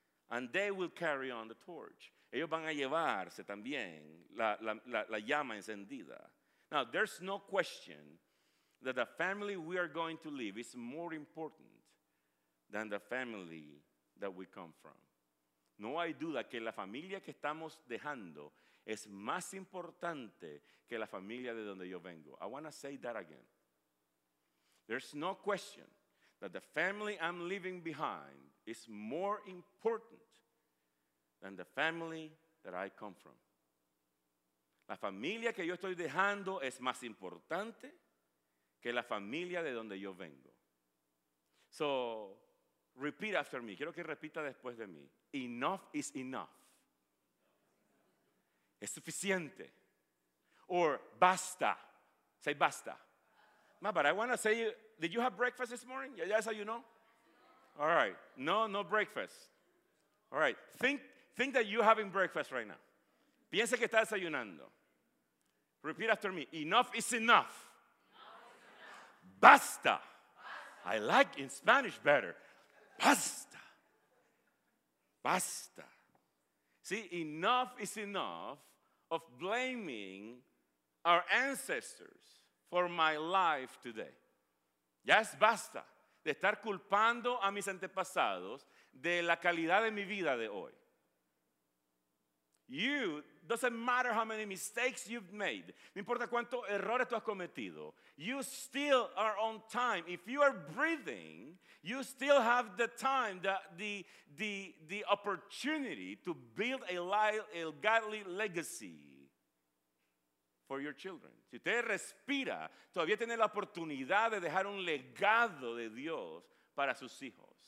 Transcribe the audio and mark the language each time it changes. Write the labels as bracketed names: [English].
[English] And they will carry on the torch. [Spanish] Ellos van a llevarse también la llama encendida. [English] Now, there's no question that the family we are going to leave is more important than the family that we come from. [Spanish] No hay duda que la familia que estamos dejando es más importante que la familia de donde yo vengo. [English] I want to say that again. There's no question that the family I'm leaving behind is more important than the family that I come from. [Spanish] La familia que yo estoy dejando es más importante que la familia de donde yo vengo. [English] So, repeat after me. [Spanish] Quiero que repita después de mí. [English] Enough is enough. [Spanish] Es suficiente. Or basta. Say basta. [English] Ma, but I want to say, did you have breakfast this morning? [Spanish] Ya desayunó? [English] All right. No breakfast. All right. Think that you're having breakfast right now. [Spanish] Piensa que está desayunando. [English] Repeat after me. Enough is enough. Basta. I like in Spanish better. Basta. Basta. See, enough is enough of blaming our ancestors for my life today. [Spanish] Ya es basta de estar culpando a mis antepasados de la calidad de mi vida de hoy. [English] You, doesn't matter how many mistakes you've made. [Spanish] No importa cuántos errores tú has cometido. [English] You still are on time. If you are breathing, you still have the time, the opportunity to build a godly legacy for your children. [Spanish] Si usted respira, todavía tiene la oportunidad de dejar un legado de Dios para sus hijos.